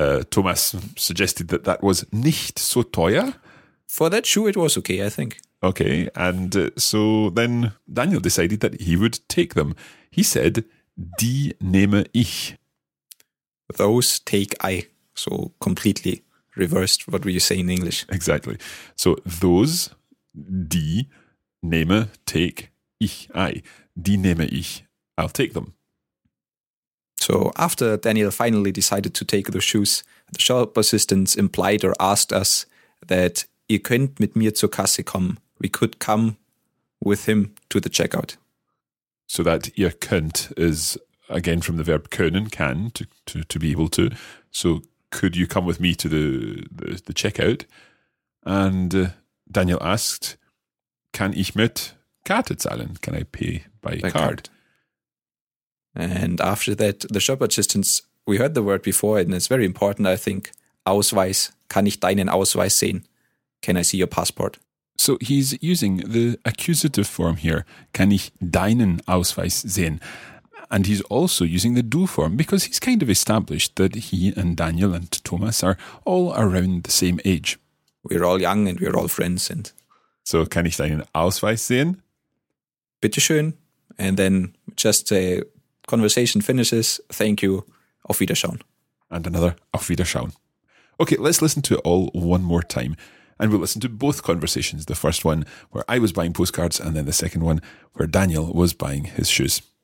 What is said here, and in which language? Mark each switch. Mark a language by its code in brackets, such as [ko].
[en] Thomas suggested that that was [de] nicht so teuer. [en] For that shoe, it was okay, I think. Okay, and so then Daniel decided that he would take them. He said, [de] die nehme ich. [en] Those take I. So completely reversed what we say in English. Exactly. So those, [de] die nehme, [en] take, ich, I. [de] Die nehme ich, [en] I'll take them. So after Daniel finally decided to take the shoes, the shop assistants implied or asked us that [de] ihr könnt mit mir zur Kasse kommen. [en] We could come with him to the checkout. So that [de] ihr könnt [en] is again from the verb können, can, to be able to. So could you come with me to the checkout? And Daniel asked, [de] kann ich mit Karte zahlen? [en] Can I pay by card? And after that, the shop assistants, we heard the word before, and it's very important, I think. [de] Ausweis, kann ich deinen Ausweis sehen? [en] Can I see your passport? So he's using the accusative form here, [de] kann ich deinen Ausweis sehen? [en] And he's also using the du form, because he's kind of established that he and Daniel and Thomas are all around the same age. We're all young and we're all friends. And [de] so kann ich deinen Ausweis sehen? Bitteschön. [en] And then just say, conversation finishes. Thank you. [de] Auf Wiedersehen. [en] And another [de] Auf Wiedersehen. [en] Okay, let's listen to it all one more time. And we'll listen to both conversations. The first one where I was buying postcards and then the second one where Daniel was buying his shoes.